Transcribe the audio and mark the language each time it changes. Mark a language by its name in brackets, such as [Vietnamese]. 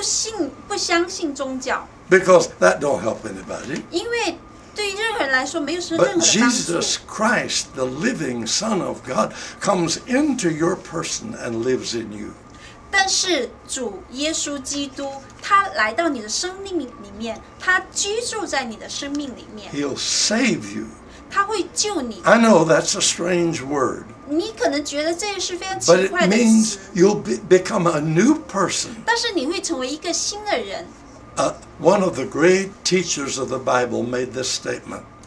[Chinese] 所以很多人他都不相信宗教, [English] because that don't help anybody. [Chinese] 因为对任何人来说没有任何的帮助. [English] But Jesus Christ, the living Son of God, comes into your person and lives in you. [Chinese] 但是主耶稣基督,他来到你的生命里面, 他居住在你的生命里面。 [English] He'll save you. [Chinese] 他会救你。 [English] I know that's a strange word. [Chinese] 你可能觉得这是非常奇怪的词。 [English] But it means you'll become a new person. [Chinese] 但是你会成为一个新的人。 [English] One of the great teachers of the Bible made this statement.